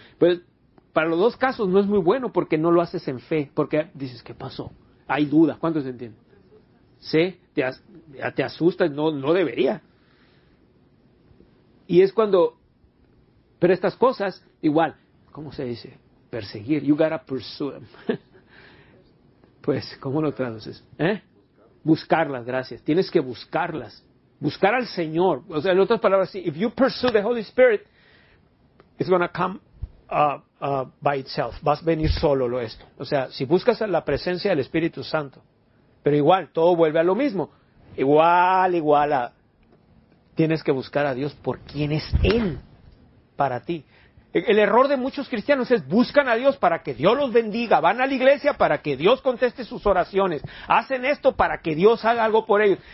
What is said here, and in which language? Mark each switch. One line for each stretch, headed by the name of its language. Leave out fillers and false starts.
Spanish: Pues, para los dos casos no es muy bueno porque no lo haces en fe, porque dices, ¿qué pasó? Hay duda, ¿cuántos entienden? ¿Sí? Te asusta, no debería. Y es cuando, pero estas cosas, igual, ¿cómo se dice? Perseguir,
English: you gotta pursue them.
Spanish: Pues, ¿cómo lo traduces? ¿Eh? Buscarlas, gracias. Tienes que buscarlas. Buscar al Señor. O sea, en otras palabras, sí,
English: if you pursue the Holy Spirit, it's going to come by itself.
Spanish: Vas a venir solo lo esto. O sea, si buscas la presencia del Espíritu Santo, pero igual, todo vuelve a lo mismo. Igual, tienes que buscar a Dios por quien es Él para ti. El error de muchos cristianos es buscan a Dios para que Dios los bendiga, van a la iglesia para que Dios conteste sus oraciones, hacen esto para que Dios haga algo por ellos.